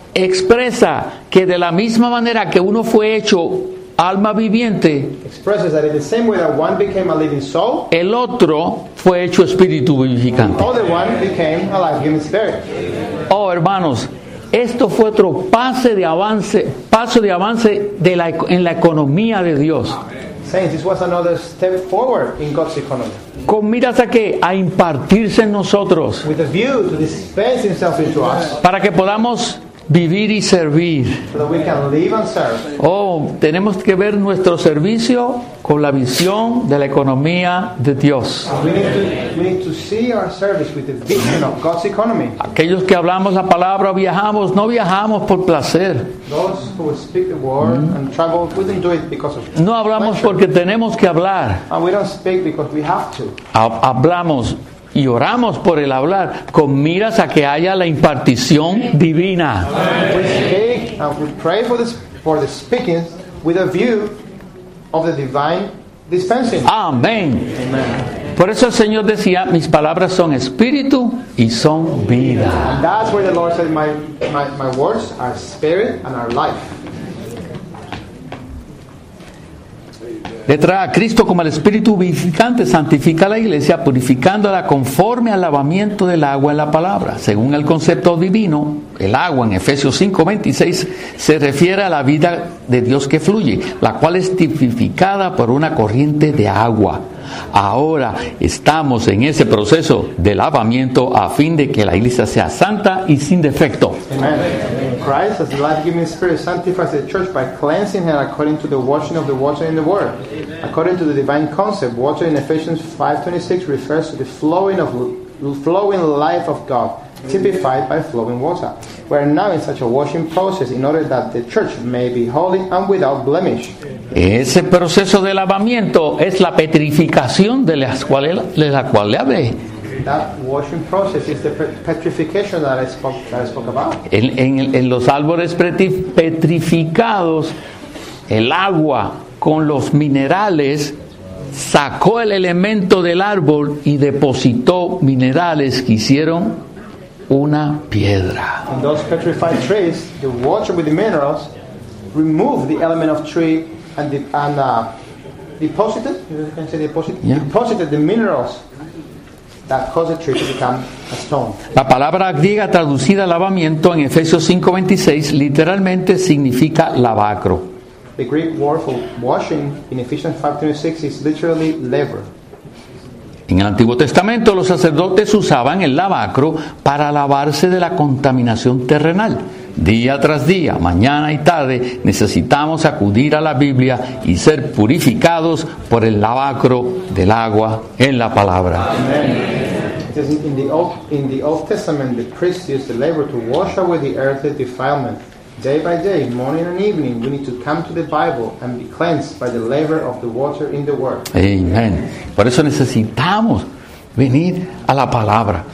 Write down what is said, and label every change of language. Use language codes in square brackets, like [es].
[es] expresa que de la misma manera que uno fue hecho alma viviente, [en] expresses that in the same way that one became a living soul, [es] el otro fue hecho espíritu vivificante. [en] The other one became a life-giving spirit. [es] Oh, hermanos, esto fue otro paso de avance de la en la economía de Dios. [en] Saints, this was another step forward in God's economy. [es] Con miras a qué? A impartirse en nosotros. [en] With a view to dispense himself into us. [es] Para que podamos vivir y servir. [en] So that we can live and serve. [es] Oh, tenemos que ver nuestro servicio con la visión de la economía de Dios. [en] We need to see our service with the vision of God's economy. [es] Aquellos que hablamos la palabra, viajamos, no viajamos por placer. [en] Those who speak the word and travel, we don't do it because of pleasure. [es] No hablamos porque tenemos que hablar. [en] And we don't speak because we have to. [es] Hablamos y oramos por el hablar con miras a que haya la impartición divina. [en] We speak and we pray for the speaking with a view of the divine dispensing. [es] Amén. Por eso el Señor decía, mis palabras son espíritu y son vida. [en] And that's where the Lord said, my words are spirit and are life. [es] Le trae a Cristo como el espíritu vivificante, santifica a la iglesia, purificándola conforme al lavamiento del agua en la palabra. Según el concepto divino, el agua en Efesios 5:26 se refiere a la vida de Dios que fluye, la cual es tipificada por una corriente de agua. Ahora estamos en ese proceso de lavamiento a fin de que la iglesia sea santa y sin defecto. Amen. [en] Christ, as the life-giving spirit, sanctifies the church by cleansing her according to the washing of the water in the word. Amen. According to the divine concept, water in Ephesians 5:26 refers to the flowing life of God, typified by flowing water. We are now in such a washing process in order that the church may be holy and without blemish. [es] Ese proceso de lavamiento es la petrificación de la cual le hablé. [en] That washing process is the petrification that I spoke about. [es] En los árboles petrificados, el agua con los minerales sacó el elemento del árbol y depositó minerales que hicieron una piedra. [en] In those petrified trees, the water with the minerals removed the element of tree and deposited the minerals that caused the tree to become a stone. [es] La palabra griega traducida lavamiento en Efesios 5:26 literalmente significa lavacro. [en] The Greek word for washing in Ephesians 5:26 is literally laver. [es] En el Antiguo Testamento los sacerdotes usaban el lavacro para lavarse de la contaminación terrenal. Día tras día, mañana y tarde, necesitamos acudir a la Biblia y ser purificados por el lavacro del agua en la palabra. Amen. [en] In the Old Testament, the priest used the labor to wash away the earthly defilement. Day by day, morning and evening, we need to come to the Bible and be cleansed by the labor of the water in the Word. [es] Amen. Por eso necesitamos venir a la palabra.